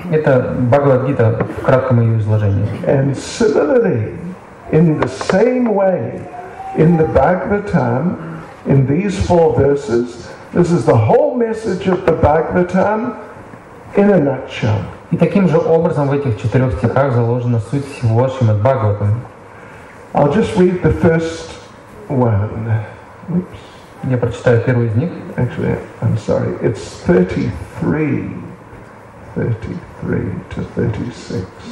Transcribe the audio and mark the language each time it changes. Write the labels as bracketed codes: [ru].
[ru] Это Бхагавад Гита в кратком ее изложении. [en] And similarly, in the same way, in the Bhagavatam, in these four verses, this is the whole message of the Bhagavatam. In a nutshell. [ru] И таким же образом в этих четырех стихах заложена суть всего Шримад-Бхагаватам. [en] I'll just read the first one. Oops. [ru] Я прочитаю первый из них. [en] Actually, I'm sorry. It's 33 to 36.